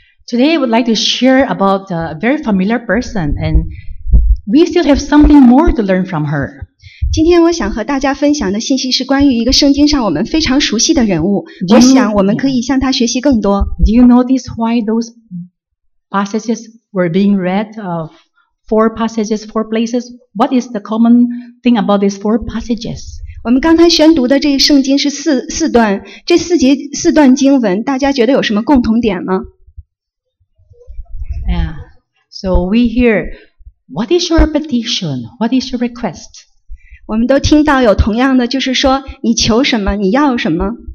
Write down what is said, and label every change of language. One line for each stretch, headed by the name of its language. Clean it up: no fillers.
English: Today, I would like to share about a very familiar person, and we still have something more to learn from her.
Chinese: 今天我想和大家分享的信息是关于一个圣经上我们非常熟悉的人物。我想我们可以向他学习更多。
English: Do you notice why those passages were being read? Four passages, four places. What is the common thing about these four passages?
Chinese: 我们刚才宣读的这个圣经是四段，这四节四段经文，大家觉得有什么共同点吗？
English: So we hear, what is your petition? What is your request?
Chinese: 我们都听到有同样的，就是说你求什么，你要什么。